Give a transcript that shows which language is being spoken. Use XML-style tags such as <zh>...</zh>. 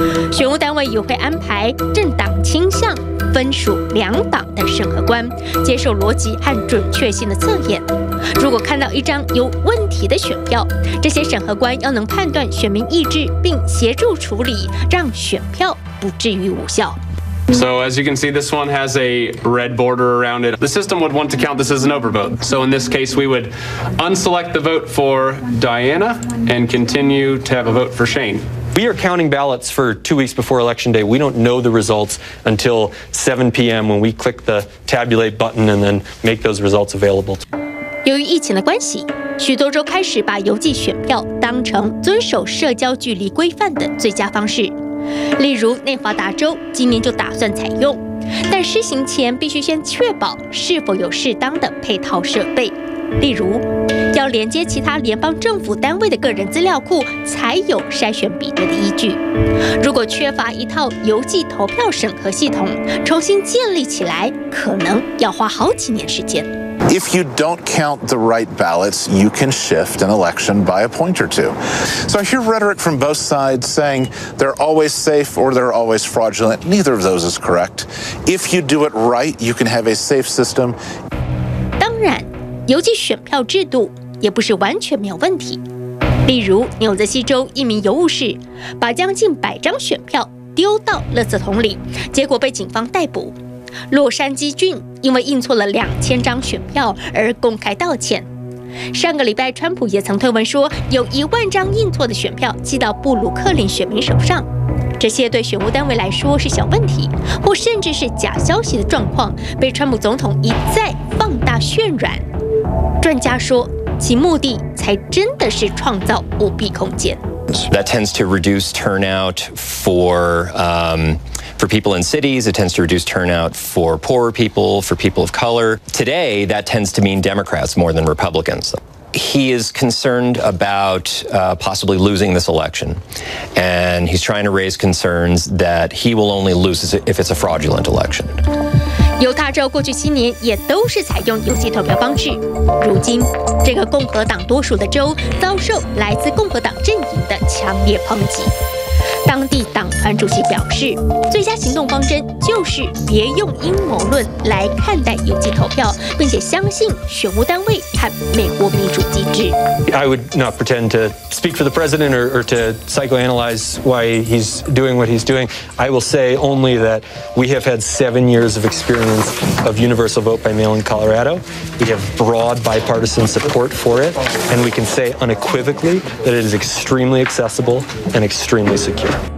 <zh>选务单位也会安排政党倾向、分属两党的审核官接受逻辑和准确性的测验。如果看到一张有问题的选票，这些审核官要能判断选民意志并协助处理，让选票不至于无效。</zh> <en>So as you can see, this one has a red border around it. The system would want to count this as an overvote. So in this case, we would unselect the vote for Diana and continue to have a vote for Shane. We are counting ballots for 2 weeks before election day. We don't know the results until 7 p.m. when we click the tabulate button and then make those results available.</en> <zh>由于疫情的关系，许多州开始把邮寄选票当成遵守社交距离规范的最佳方式。例如，内华达州今年就打算采用，但施行前必须先确保是否有适当的配套设备，例如要连接其他联邦政府单位的个人资料库才有筛选比对的依据。如果缺乏一套邮寄投票审核系统，重新建立起来可能要花好几年时间。</zh> <en>If you don't count the right ballots, you can shift an election by a point or two. So I hear rhetoric from both sides saying they're always safe or they're always fraudulent. Neither of those is correct. If you do it right, you can have a safe system.</en> <zh>当然，邮寄选票制度也不是完全没有问题。例如，纽泽西州一名邮务士把将近百张选票丢到垃圾桶里，结果被警方逮捕。洛杉矶郡因为印错了2000张选票而公开道歉。上个礼拜，川普也曾推文说，有10000张印错的选票寄到布鲁克林选民手上。这些对选务单位来说是小问题，或甚至是假消息的状况，被川普总统一再放大渲染。专家说，其目的才真的是创造舞弊空间。</zh> <en>That tends to reduce turnout for people in cities. It tends to reduce turnout for poorer people, for people of color. Today, that tends to mean Democrats more than Republicans. He is concerned about possibly losing this election, and he's trying to raise concerns that he will only lose if it's a fraudulent election.</en> <zh>犹他州过去7年也都是采用邮寄投票方式，如今这个共和党多数的州遭受来自共和党阵营的强烈抨击。当地党团主席表示，最佳行动方针就是别用阴谋论来看待邮寄投票，并且相信选务单位和美国民主机制。</zh> <en>I would not pretend to speak for the president or to psychoanalyze why he's doing what he's doing. I will say only that we have had 7 years of experience of universal vote by mail in Colorado. We have broad bipartisan support for it, and we can say unequivocally that it is extremely accessible and extremely secure.</en>